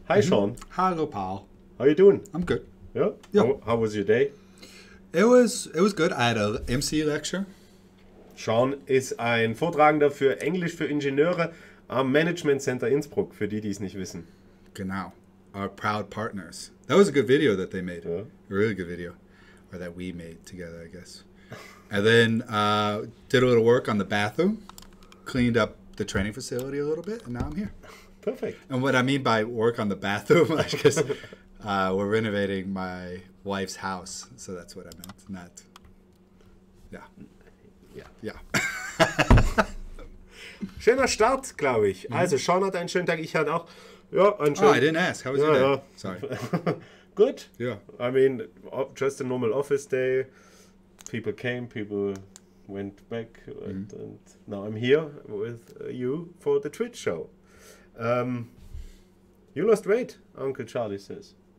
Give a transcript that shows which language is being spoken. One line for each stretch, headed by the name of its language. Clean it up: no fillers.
English: Hi Sean.
German: Hallo Paul.
English: How are you doing? I'm good. Yeah? How was your day? It was good. I had a MC lecture.
German: Sean ist ein Vortragender für Englisch für Ingenieure am Management Center Innsbruck, für die, die es nicht wissen. Genau.
English: Our proud partners. That was a good video that they made. Yeah. A really good video. Or that we made together, I guess. And then did a little work on the bathroom. Cleaned up the training facility a little bit. And now I'm here. Perfect. And what I mean by work on the bathroom, I guess we're renovating my wife's house. So that's what I meant. Not, yeah. Yeah.
German: Schöner Start, glaube ich. Mm-hmm. Also, Sean hat einen schönen Tag. Ich hatte auch einen schönen Tag.
English: Oh, I didn't ask. How was your day? Sorry. Good. Yeah. I mean, just a normal office day. People came, people went back. And now I'm here with you for the Twitch show. You lost weight, Uncle Charlie says.